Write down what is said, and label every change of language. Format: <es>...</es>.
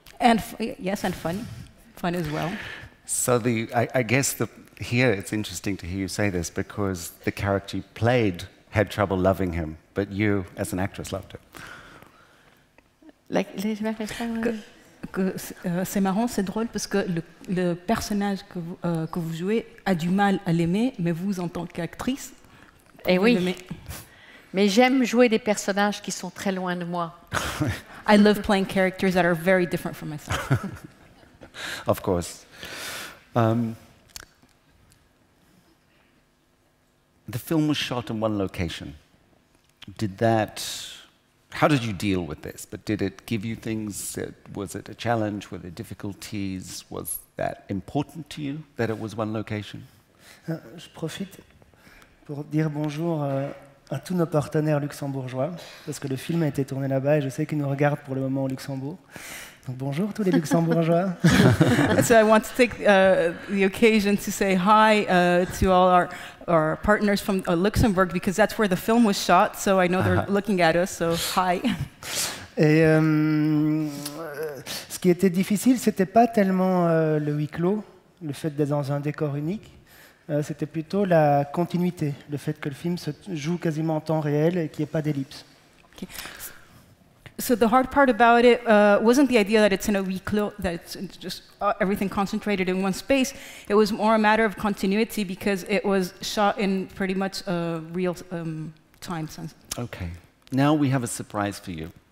<en>And yes, and funny, fun as well. So here it's interesting to hear you say this because the character you played had trouble loving him, but you, as an actress, loved it.</en> <fr>C'est marrant, c'est drôle, parce que le personnage que vous jouez a du mal à l'aimer, mais vous, en tant qu'actrice, eh oui. Mais j'aime jouer des personnages qui sont très loin de moi.</fr> <en>I love playing characters that are very different from myself. Of course. The film was shot in one location. Did that, how did you deal with this? But did it give you things? Was it a challenge? Were there difficulties? Was that important to you that it was one location?</en> <fr>Je profite pour dire bonjour à tous nos partenaires luxembourgeois, parce que le film a été tourné là-bas et je sais qu'ils nous regardent pour le moment au Luxembourg. Donc bonjour tous les luxembourgeois.</fr> <en>So I want to take the occasion to say hi to all our partners from Luxembourg, because that's where the film was shot, so I know they're looking at us, so hi.</en> <fr>Et ce qui était difficile, c'était pas tellement le huis clos, le fait d'être dans un décor unique, c'était plutôt la continuité, le fait que le film se joue quasiment en temps réel et qu'il n'y ait pas d'ellipse.</fr> <en>Okay. So the hard part about it wasn't the idea that it's in a huis clos, that it's just everything concentrated in one space. It was more a matter of continuity because it was shot in pretty much a real time sense. Okay. Now we have a surprise for you.</en>